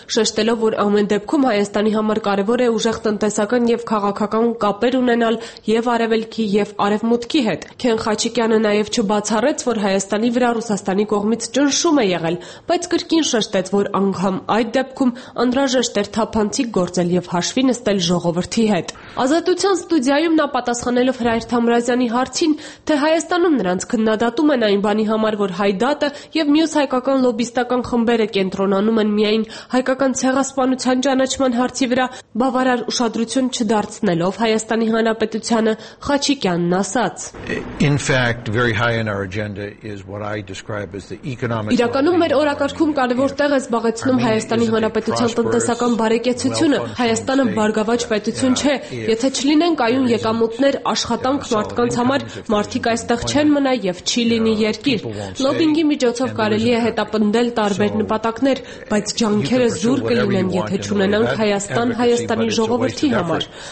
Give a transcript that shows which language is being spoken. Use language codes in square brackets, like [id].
[hy] շեշտելով, որ ամեն դեպքում Հայաստանի համար կարևոր է ուժեղ տնտեսական եւ քաղաքական կապեր ունենալ եւ արևելքի եւ արևմուտքի հետ։ Խաչիկյանը նաև չբացառեց, որ Հայաստանի վրա Ռուսաստանի կողմից ճնշում է եղել, բայց կրկին շեշտեց, որ անգամ այդ դեպքում անհրաժեշտ էր թափանցիկ գործել եւ հաշվի նստել ժողովրդի հետ։ Ազատության ստուդիայում նա պատասխանելով Հրայր Թամրազյանի հարցին, թե Հայաստանում նրանց քննադատում են այն բանի համար, որ Հայդատը եւ մյուս հայկական լոբիստական խմբերը կենտրոնանում են միայն հայկական ցեղասպանության ճանաչման հարցի վրա, բավարար ուշադրություն չդարձնելով Հայաստանի Հանրապետությանը, Խաչիկյանն ասաց. [en] In fact, very high on our agenda is what I describe as the economic. [hy] Իրականում մեր օրակարգում կարևոր տեղ է զբաղեցնում Հայաստանի Հանրապետության տնտեսական բարեկեցությունը։ Հայաստանը բարգավաճ պետություն չէ, եթե չլինեն կայուն եկամուտներ, աշխատանք մարդկանց համար, մարդիկ այստեղ չեն մնա եւ չի լինի երկիր։ Լոբինգի միջոցով կարելի է հետապնդել տարբեր նպատակներ, բայց ջանքերը զուր կլինեն, եթե չունենանք Հայաստան Հայաստանի ժողովրդի համար։